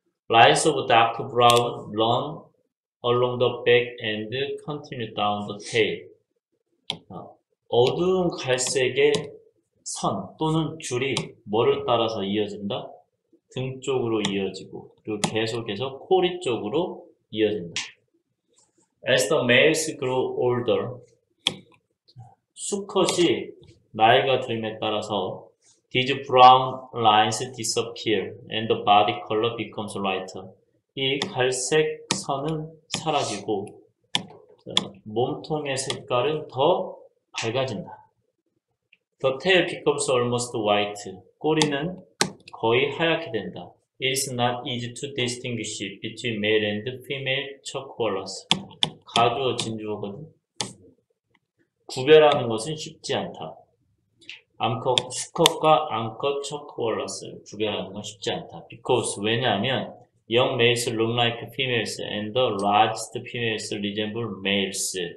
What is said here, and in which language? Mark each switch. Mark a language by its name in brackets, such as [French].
[English] Lines of dark brown run along the back and continue down the tail. [Korean] 어두운 갈색의 선 또는 줄이 뭐를 따라서 이어진다? 등 쪽으로 이어지고, 그리고 계속해서 코리 쪽으로 이어진다. [English] As the males grow older, [Korean] 수컷이 나이가 들면에 따라서 [English] these brown lines disappear and the body color becomes lighter. [Korean] 이 갈색 선은 사라지고, 몸통의 색깔은 더 밝아진다. [English] The tail becomes almost white. [Korean] 꼬리는 거의 하얗게 된다. [English] It is not easy to distinguish between male and female chocolates. [Korean] 가주어 진주어거든. 구별하는 것은 쉽지 않다. 수컷과 암컷 초코볼라스를 구별하는 건 쉽지 않다. [English] Because [Korean] 왜냐하면 [English] young males look like females and the largest females resemble males.